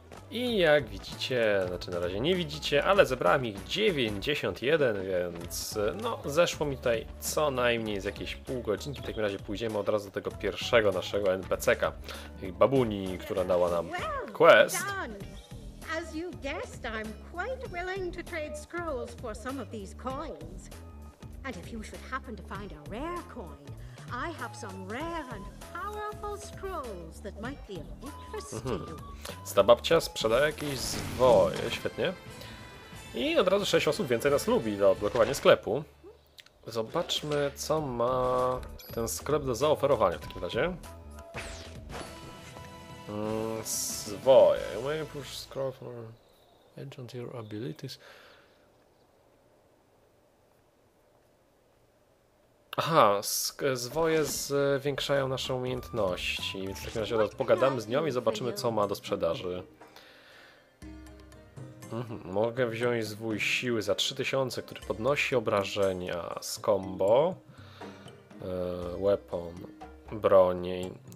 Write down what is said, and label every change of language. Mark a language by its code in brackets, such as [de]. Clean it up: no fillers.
[pl] I jak widzicie, znaczy na razie nie widzicie, ale zebrałem ich 91, więc no, zeszło mi tutaj co najmniej z jakieś pół godzinki. W takim razie pójdziemy od razu do tego pierwszego naszego NPC-ka, tej babuni, która dała nam quest. [en] As you guessed, I'm quite willing to trade scrolls for some of these coins. And if you should happen to find a rare coin, I have some rare and powerful scrolls that might be of interest to you. [pl] Ta babcia sprzeda jakieś zwoje, świetnie. I od razu 6 osób więcej nas lubi do odblokowania sklepu. Zobaczmy, co ma ten sklep do zaoferowania w takim razie. Zwoje. [en] May push scroll for enchant your abilities. [pl] Aha, zwoje zwiększają nasze umiejętności, więc w takim razie pogadamy z nią i zobaczymy, co ma do sprzedaży. Mogę wziąć zwój siły za 3000, który podnosi obrażenia z combo, weapon, broni.